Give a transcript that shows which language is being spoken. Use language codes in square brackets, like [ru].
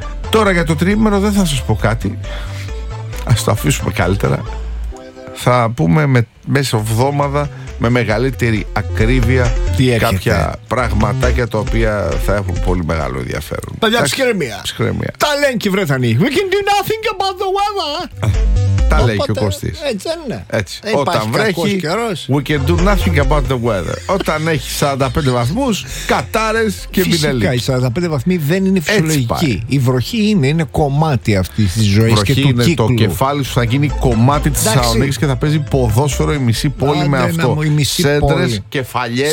[el] Τώρα για το τριήμερο δεν θα σας πω κάτι. Ας το αφήσουμε καλύτερα. Θα πούμε μέσα εβδομάδα με μεγαλύτερη ακρίβεια κάποια πραγματάκια τα οποία θα έχουν πολύ μεγάλο ενδιαφέρον. Παιδιά, ψυχραιμία. Τα λένε και οι Βρετανοί. [en] We can do nothing about the weather. [el] Τα λέει και ο Κωστής. Έτσι δεν είναι. Έτσι. Όταν βρέχει, καιρός. [en] We can do nothing about the weather. [el] Όταν έχει 45 βαθμούς, κατάρες και μπινελίκ. Φυσικά, οι 45 βαθμοί δεν είναι φυσιολογικοί. Η βροχή είναι κομμάτι αυτή τη ζωή και του είναι κύκλου. Το κεφάλι σου θα γίνει κομμάτι τη Θεσσαλονίκη και θα παίζει ποδόσφαιρο η μισή πόλη. Άντε, με αυτό. Σέντρες, κεφαλιές,